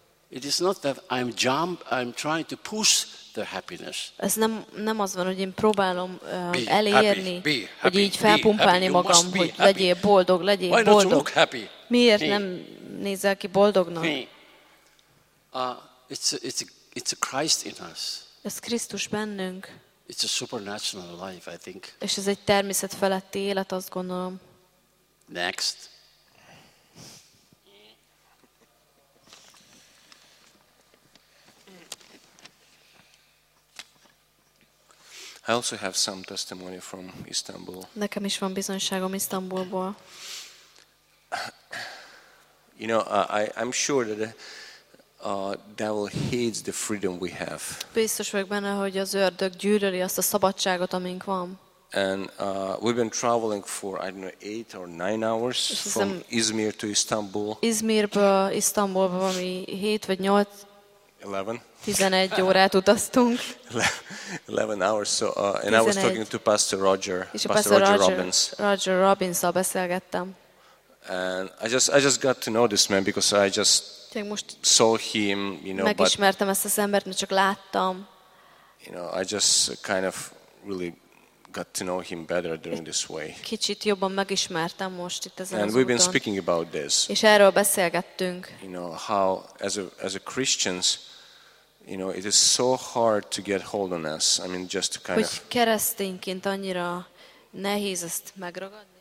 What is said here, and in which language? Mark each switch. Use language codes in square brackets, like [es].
[en] It is not that I'm trying to push the happiness. [hu] Ez nem az van, hogy én próbálom elérni, [en] happy, happy, [hu] hogy így felpumpálni magam, [en] happy, [hu] hogy legyél boldog, legyél [en] Why [hu] boldog. [en] Don't you look happy? [hu] Miért nem nézel ki boldognak? [en] It's a Christ in us. [hu] Ez Krisztus bennünk. [en] It's a supernatural life, I think. [hu] És ez egy természet feletti élet, azt gondolom. [en] Next. I also have some testimony from Istanbul. [hu] Nekem is van bizonyságom Isztambulból. [en] You know, I'm sure that devil hates the freedom we have. [hu] Biztos vagyok benne, hogy az ördög gyűlöli azt a szabadságot, amink van. [en] And we've been traveling for I don't know 8 or 9 hours from Izmir to Istanbul. [hu] Izmirből Isztambulba valami 7 vagy 8 11 11 órát utaztunk. [en] 11 hours so and 11. I was talking to Pastor Roger, [hu] és Pastor Roger Robbins. Roger Robbins-szal beszélgettem. [en] And I just got to know this man because I just [hu] most [en] saw him, you know, [hu] megismertem ezt az embert, csak láttam. [en] You know, I just kind of really got to know him better during this way. [hu] Kicsit jobban megismertem most itt ezen. [en] And we've been speaking about this. [hu] És erről beszélgettünk. [en] You know, how as a Christians, you know, it is so hard to get hold on us. I mean, just to kind [hu] hogy [en] of [hu] keresztényként annyira nehéz ezt megragadni.